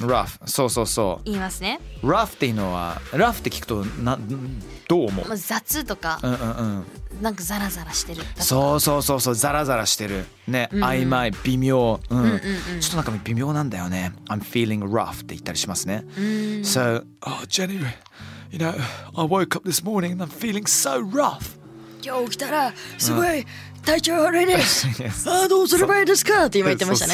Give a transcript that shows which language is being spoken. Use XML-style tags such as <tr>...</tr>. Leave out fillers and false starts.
<ja>Rough. そうそうそう。言いますね。 Rough っていうのは、rough って聞くとどう思う？雑とか。うんうんうん。なんかザラザラしてる。そうそうそうそう、ザラザラしてる。ね、うん、曖昧、微妙、うん。うんうんうん。ちょっとなんか微妙なんだよね。</ja> <en>I'm feeling rough</en> <ja>って言ったりしますね。うん。</ja> <en>So, oh, Jenny, you know, I woke up this morning and I'm feeling so rough.</en> <ja>今日起きたらすごい。うん体調悪いです。あどうすればいいですかって今言ってましたね。</ja>